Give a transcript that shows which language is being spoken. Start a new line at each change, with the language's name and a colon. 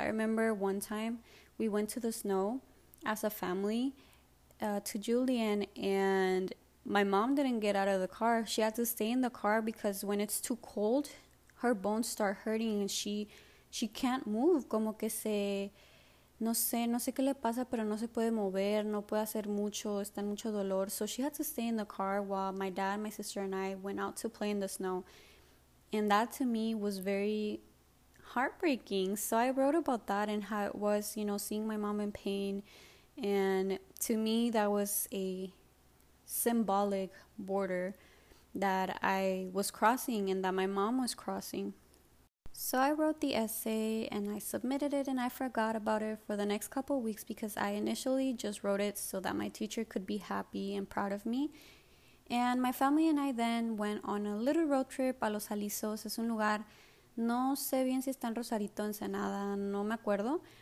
English: I remember one time we went to the snow as a family to Julian, and my mom didn't get out of the car. She had to stay in the car because when it's too cold, her bones start hurting and she can't move.
Spanish: Como que se. No sé qué le pasa, pero no se puede mover, no puede hacer mucho, está en mucho dolor.
English: So she had to stay in the car while my dad, my sister, and I went out to play in the snow. And that to me was very heartbreaking. So I wrote about that and how it was, you know, seeing my mom in pain. And to me, that was a symbolic border that I was crossing and that my mom was crossing. So I wrote the essay and I submitted it and I forgot about it for the next couple of weeks because I initially just wrote it so that my teacher could be happy and proud of me. And my family and I then went on a little road trip a Los Alisos.
Spanish: Es un lugar, no sé bien si está en Rosarito, Ensenada, no me acuerdo.